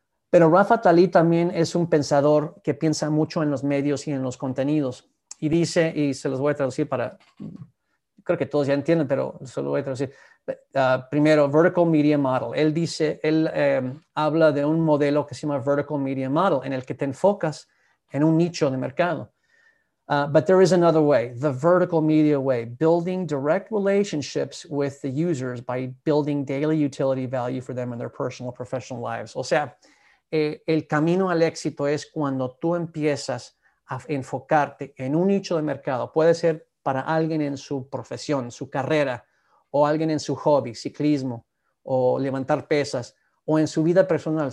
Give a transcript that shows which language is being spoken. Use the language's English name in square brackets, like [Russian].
[Spanish] Pero Rafa Talí también es un pensador que piensa mucho en los medios y en los contenidos. Y dice, y se los voy a traducir para, creo que todos ya entienden, pero se los voy a traducir. Primero, Vertical Media Model. Él dice, él habla de un modelo que se llama Vertical Media Model, en el que te enfocas en un nicho de mercado. [English] But there is another way, the vertical media way, building direct relationships with the users by building daily utility value for them in their personal professional lives. [Spanish] O sea, el camino al éxito es cuando tú empiezas a enfocarte en un nicho de mercado. Puede ser para alguien en su profesión, su carrera, o alguien en su hobby, ciclismo, o levantar pesas, o en su vida personal.